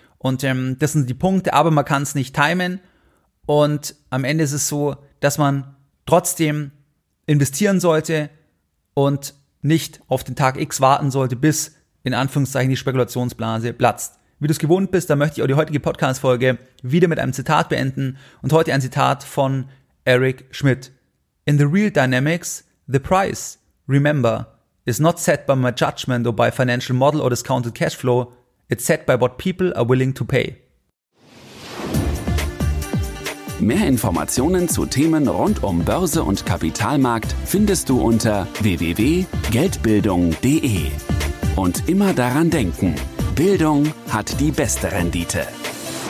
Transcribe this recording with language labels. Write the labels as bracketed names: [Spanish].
[German] Und das sind die Punkte, aber man kann es nicht timen und am Ende ist es so, dass man trotzdem investieren sollte und nicht auf den Tag X warten sollte, bis in Anführungszeichen die Spekulationsblase platzt. Wie du es gewohnt bist, dann möchte ich auch die heutige Podcast-Folge wieder mit einem Zitat beenden und heute ein Zitat von Eric Schmidt. [English] In the real dynamics, the price, remember, is not set by my judgment or by financial model or discounted cashflow, it's set by what people are willing to pay. [German] Mehr Informationen zu Themen rund um Börse und Kapitalmarkt findest du unter www.geldbildung.de. Und immer daran denken, Bildung hat die beste Rendite.